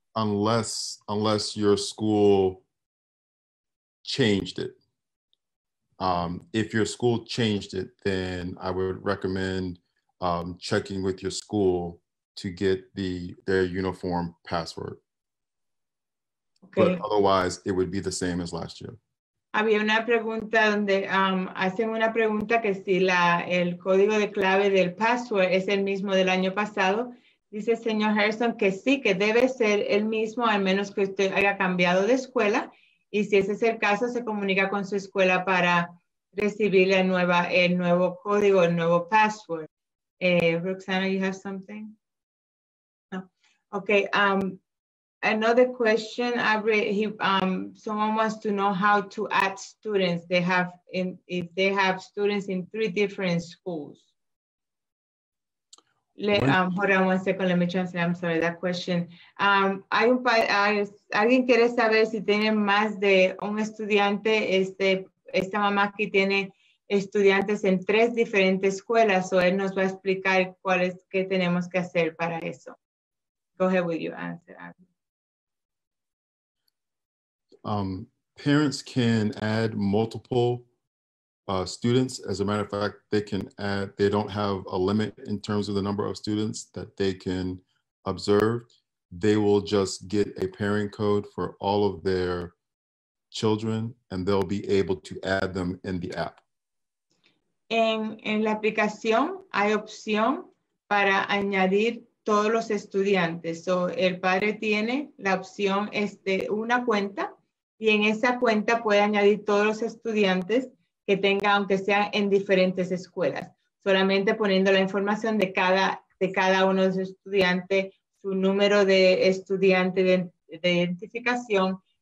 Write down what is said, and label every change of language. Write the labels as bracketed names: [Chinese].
[English] Unless your school changed it. If your school changed it, then I would recommend checking with your school to get their uniform password. Okay. But otherwise, it would be the same as last year. [Spanish] Había una pregunta donde hacen una pregunta que si el código de clave del password es el mismo del año pasado. Dice señor Harrison que sí, que debe ser el mismo, al menos que usted haya cambiado de escuela. Y si ese es el caso, se comunica con su escuela para recibir el nuevo código, el nuevo password. [English] Roxana, you have something? No. Okay. Another question, someone wants to know how to add students. They have if they have students in three different schools. Hold on one second, let me translate. I'm sorry, that question. [Spanish] ¿Alguien quiere saber si tiene más de un estudiante? Esta mamá aquí tiene estudiantes en tres diferentes escuelas, o él nos va a explicar qué tenemos que hacer para eso. [English] Go ahead with your answer, Abby. Parents can add multiple students. As a matter of fact, they can add, they don't have a limit in terms of the number of students that they can observe. They will just get a pairing code for all of their children and they'll be able to add them in the app. [Spanish] En la aplicación hay opción para añadir todos los estudiantes. So el padre tiene la opción una cuenta. Y en esa cuenta puede añadir todos los estudiantes que tenga, aunque sea en diferentes escuelas, solamente poniendo la información de cada uno de los estudiantes, su número de estudiante de identificación.